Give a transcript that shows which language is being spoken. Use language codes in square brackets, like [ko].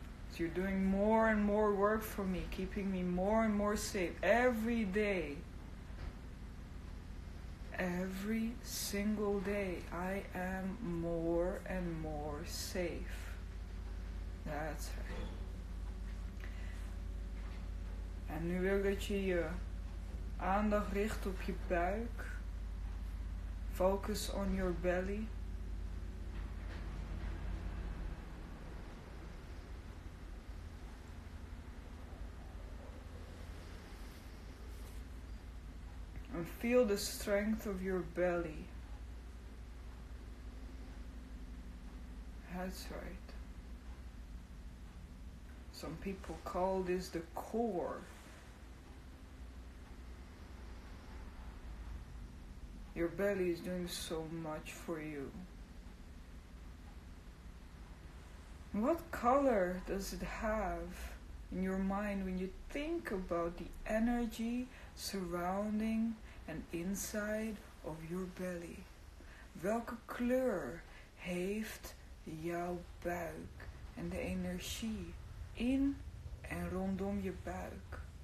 [en] So you're doing more and more work for me, keeping me more and more safe every day. Every single day, I am more and more safe. That's right. [nl] En nu wil ik dat je je aandacht richt op je buik. [en] Focus on your belly. And feel the strength of your belly. That's right. Some people call this the core. Your belly is doing so much for you. What color does it have in your mind when you think about the energy surrounding and inside of your belly? [nl] Welke kleur heeft jouw buik en de energie in en rondom je buik?